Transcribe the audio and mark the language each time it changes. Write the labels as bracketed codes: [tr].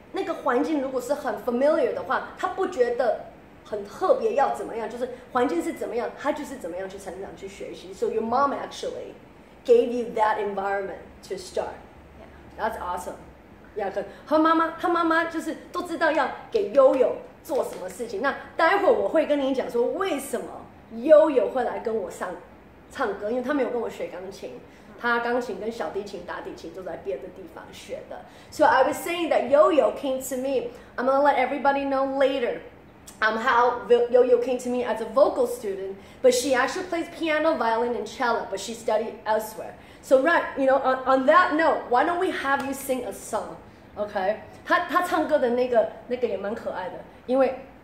[zh] 那个环境如果是很 familiar 的话，他不觉得很特别要怎么样，就是环境是怎么样，他就是怎么样去成长去学习。 [en] So your mom actually gave you that environment to start. Yeah, that's awesome. [zh] Yeah, 她妈妈就是都知道要给悠悠做什么事情。那待会我会跟你讲说为什么悠悠会来跟我唱歌，因为他没有跟我学钢琴。他钢琴跟小提琴、大提琴都在别的地方学的。 [en] So I was saying that Yoyo came to me. I'm gonna let everybody know later. How Yoyo came to me as a vocal student, but she actually plays piano, violin, and cello. But she studied elsewhere. So right, you know, on that note, why don't we have you sing a song? Okay. [zh] 他唱歌的那个也蛮可爱的，因为。